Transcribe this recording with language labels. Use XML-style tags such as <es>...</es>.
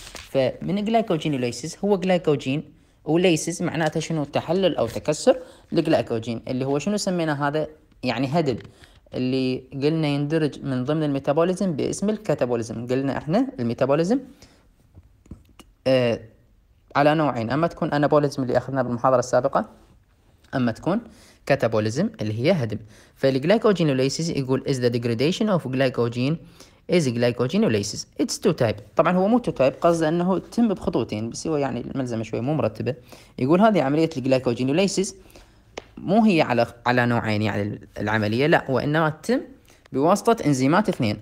<ar>فمن glycogen ليسز هو glycogen، وليسز معناته شنو؟ تحلل أو تكسر الجلايكوجين اللي هو شنو سمينا هذا؟ يعني هدب اللي قلنا يندرج من ضمن الميتابوليزم باسم الكاتابوليزم. قلنا احنا الميتابوليزم على نوعين، أما تكون anabolism اللي أخذناه بالمحاضرة السابقة، أما تكون كاتابوليزم اللي هي هدم.</ar> <en>فالجلايكوجينوليسيس يقول is the degradation of glycogen is glycogenolysis. It's two type.</en> <ar>طبعا هو مو two type، قصد انه تم بخطوتين، بس هو يعني الملزمة شوي مو مرتبة. يقول هذه عملية الجلايكوجينوليسيس مو هي على نوعين، يعني العملية لا، وانما تم بواسطة انزيمات اثنين.</ar>